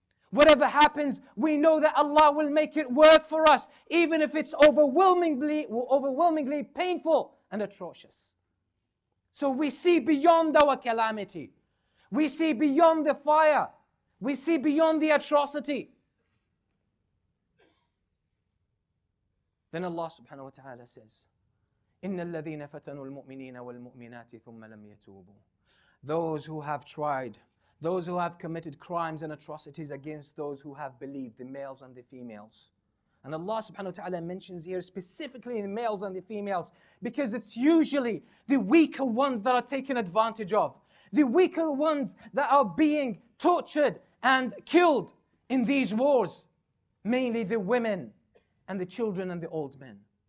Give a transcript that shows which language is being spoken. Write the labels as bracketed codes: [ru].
[en] Whatever happens, we know that Allah will make it work for us, even if it's overwhelmingly painful and atrocious. So we see beyond our calamity. We see beyond the fire. We see beyond the atrocity. Then Allah subhanahu wa ta'ala says, [ar] إِنَّ الَّذِينَ فَتَنُوا الْمُؤْمِنِينَ وَالْمُؤْمِنَاتِ ثُمَّ لَمْ يَتُوبُوا. [en] Those who have tried, those who have committed crimes and atrocities against those who have believed, the males and the females. And Allah subhanahu wa ta'ala mentions here specifically the males and the females, because it's usually the weaker ones that are taken advantage of, the weaker ones that are being tortured and killed in these wars, mainly the women and the children and the old men.